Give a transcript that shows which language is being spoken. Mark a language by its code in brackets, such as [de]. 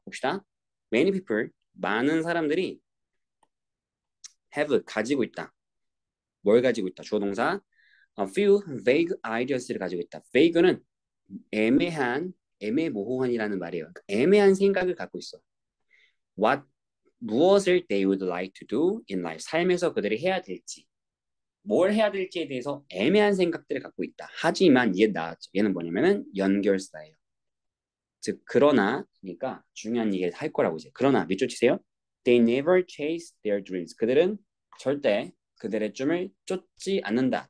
[ko] 봅시다. [en] Many people, [ko] 많은 사람들이 have, 가지고 있다. 뭘 가지고 있다? 주어동사. [en] A few vague ideas [ko] 를 가지고 있다. Vague는 애매모호한이라는 말이에요. 애매한 생각을 갖고 있어. [en] What, [ko] 무엇을 [en] they would like to do in life. [ko] 삶에서 그들이 해야 될지. 뭘 해야 될지에 대해서 애매한 생각들을 갖고 있다. 하지만 얘 나왔죠. 얘는 뭐냐면은 연결사예요. 즉, 그러나, 그러니까 중요한 얘기를 할 거라고 이제. 그러나, 밑줄 치세요. [en] They never chase their dreams. [ko] 그들은 절대 그들의 꿈을 쫓지 않는다.